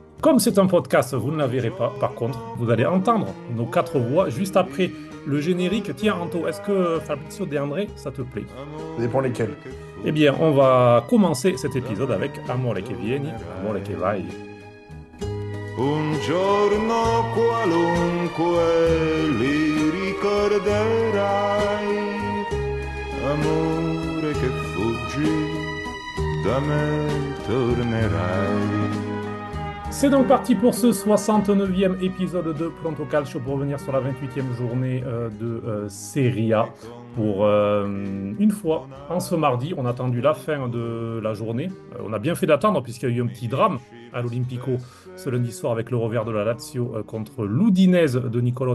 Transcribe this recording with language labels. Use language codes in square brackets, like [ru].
[fr] Comme c'est un podcast, vous ne la verrez pas, par contre, vous allez entendre nos quatre voix juste après le générique. Tiens Anto, est-ce que Fabrizio De André, ça te plaît? Ça dépend lesquels. Eh bien, on va commencer cet épisode avec Amore che vieni, amore che vai. [it] Un giorno qualunque li ricorderai, amore che fuggi, da me tornerai. [fr] C'est donc parti pour ce 69e épisode de Pronto Calcio pour revenir sur la 28e journée de Serie A. Pour une fois, en ce mardi, on a attendu la fin de la journée. On a bien fait d'attendre puisqu'il y a eu un petit drame à l'Olympico ce lundi soir avec le revers de la Lazio contre l'Udinese de Nicolò.